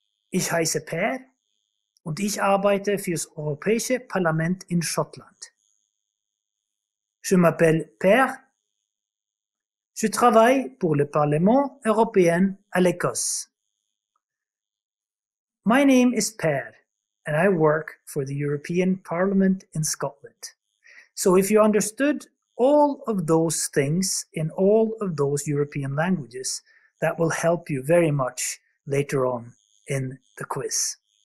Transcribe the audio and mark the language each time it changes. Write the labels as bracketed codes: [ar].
[de] Ich heiße Per und ich arbeite für das Europäische Parlament in Schottland. [fr] Je m'appelle Per. Je travaille pour le Parlement européen à l'Écosse. [en] My name is Per, and I work for the European Parliament in Scotland. So if you understood all of those things in all of those European languages, that will help you very much later on in the quiz.